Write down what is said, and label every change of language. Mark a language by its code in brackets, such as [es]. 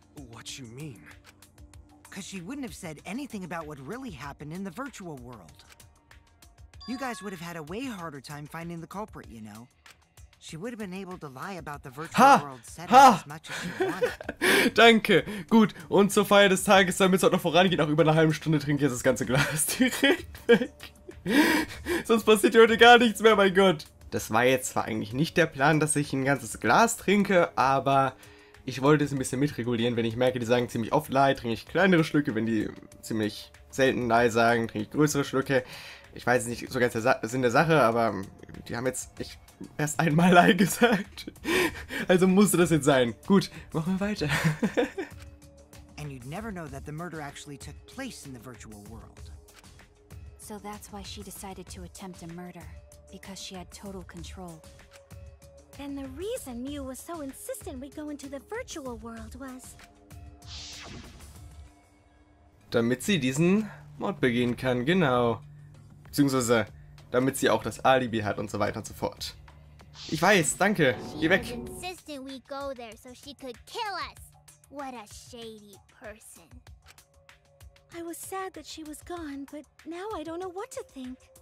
[en] What you mean? Because she wouldn't have said anything about what really happened in the virtual world. You guys would have had a way harder time finding the culprit, you know. She would have been able to lie about the virtual world setting as much as she wanted. [de] Danke. Gut, und zur Feier des Tages, damit es auch noch vorangeht, nach über einer halben Stunde trinke ich jetzt das ganze Glas direkt weg. Sonst passiert heute gar nichts mehr, mein Gott. Das war jetzt zwar eigentlich nicht der Plan, dass ich ein ganzes Glas trinke, aber ich wollte es ein bisschen mitregulieren. Wenn ich merke, die sagen ziemlich oft lie, trinke ich kleinere Schlücke. Wenn die ziemlich selten lie sagen, trinke ich größere Schlücke. Ich weiß nicht so ganz der Sinn der Sache, aber die haben jetzt echt erst einmal lie gesagt. Also musste das jetzt sein. Gut, machen wir weiter. [en] And you'd never know that the murder actually took place in the virtual world. So that's why she decided to attempt a murder, because she had total control. Then the reason Mew was so insistent we go into the virtual world was... [de] damit sie diesen Mord begehen kann, genau. Beziehungsweise, damit sie auch das Alibi hat und so weiter und so fort. Ich weiß, danke. Geh weg. [en] She was insistent we go there so she could kill us. What a shady person. I was sad that she was gone, but now I don't know what to think.